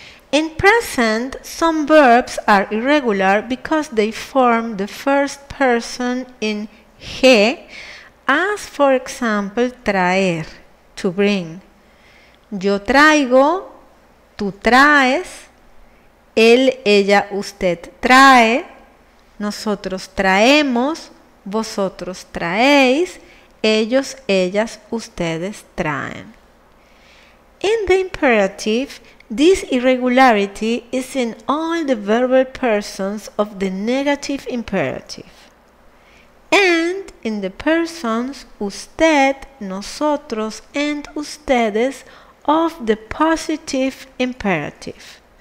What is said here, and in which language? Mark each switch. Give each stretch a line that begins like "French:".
English: In present, some verbs are irregular because they form the first person in he, as for example, traer, to bring.
Spanish: Yo traigo, tú traes, él, ella, usted trae, nosotros traemos, vosotros traéis, ellos, ellas, ustedes traen.
English: In the imperative, this irregularity is in all the verbal persons of the negative imperative. And in the persons usted, nosotros, and ustedes of the positive imperative.